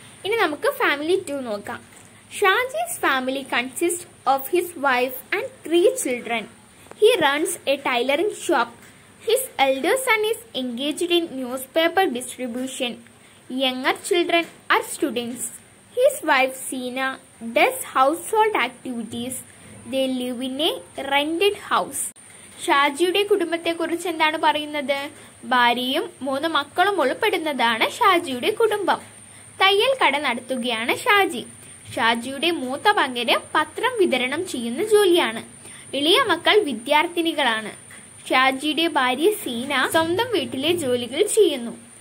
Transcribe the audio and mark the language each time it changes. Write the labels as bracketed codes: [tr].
[ml] ഇനി നമുക്ക് ഫാമിലി 2 നോക്കാം. [en] Shaji's family consist of his wife and 3 children. He runs a tailoring shop. His elder son is engaged in newspaper distribution. Younger children are students. His wife Seena does household activities. They live in a rented house. [ml] ഷാജിയുടെ കുടുംബത്തെ കുറിച്ച് എന്താണ് പറയുന്നത്? ഭാര്യയും 3 മക്കളും ഉൾപ്പെടുന്നതാണ് ഷാജിയുടെ കുടുംബം. തയ്യൽ കട നടത്തുകയാണ് ഷാജി. ഷാജിയുടെ മൂത്ത മകന് പത്രം വിതരണം ചെയ്യുന്ന ജോലിയാണ്. ഇളയ മക്കൾ വിദ്യാർത്ഥിനികളാണ്. ഷാജിയുടെ ഭാര്യ സീന സ്വന്തം വീട്ടിലെ ജോലികൾ ചെയ്യുന്നു.